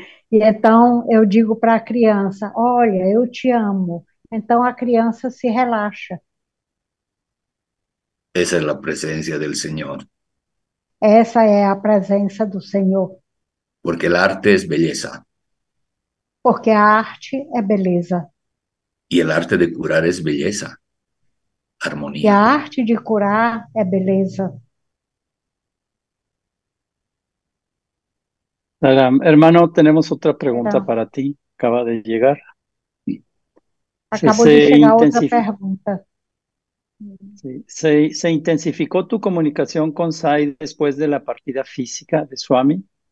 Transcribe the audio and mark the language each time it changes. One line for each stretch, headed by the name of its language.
Portuguese: E então eu digo para a criança: olha, eu te amo. Então a criança se relaxa.
Spanish: Esa es la presencia del Señor.
Portuguese: Essa é a presença do Senhor.
Spanish: Porque el arte es belleza.
Portuguese: Porque a arte é beleza.
Spanish: Y el arte de curar es belleza,
Portuguese: E a
Spanish: armonía.
Portuguese: arte de curar é beleza.
Spanish: Hermano, tenemos otra pregunta Era. para ti. Acaba de llegar.
Portuguese: Acabou de chegar outra pergunta.
Spanish: ¿Se intensificó tu comunicación con Sai después de la partida física de Swami?